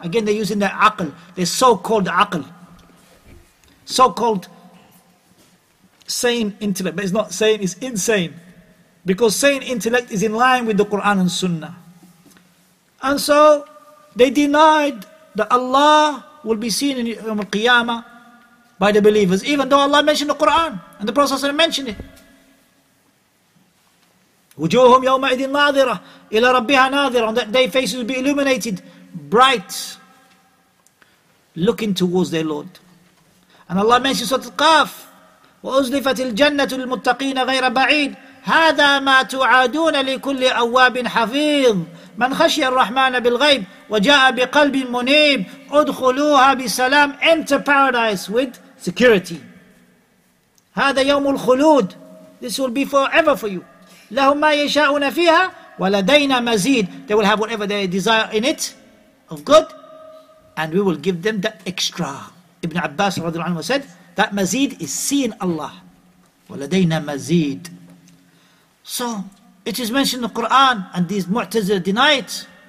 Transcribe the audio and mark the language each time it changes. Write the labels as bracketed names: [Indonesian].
[English] Again, they're using their aql, their so-called aql. So-called sane intellect. But it's not sane, it's insane. Because sane intellect is in line with the Quran and Sunnah. And so they denied that Allah will be seen in Yawm al-Qiyamah by the believers, even though Allah mentioned the Quran and the Prophet mentioned it. [Arabic] وجوههم يومئذ ناظرة إلى ربها ناظرة. [English] On that day, faces will be illuminated, bright, looking towards their Lord. And Allah mentions Surah Al-Qaf, [Arabic] وأزلفت الجنة للمتقين غير بعيد. هذا ما تعادون لكل أواب حفيظ. من خشي الرحمن بالغيب وجاء بقلب منيب. أدخلوها بسلام. [English] Enter paradise with security. [Arabic] هذا يوم الخلود. [English] This will be forever for you. [Arabic] لهم ما يشاءون فيها ولدينا مزيد. [English] They will have whatever they desire in it of good, and we will give them that extra. Ibn Abbas [Arabic] رضي الله عنه [English] said that مزيد is seeing Allah. [Arabic] ولدينا مزيد. [English] So it is mentioned in the Quran, and these Mu'tazila deny it.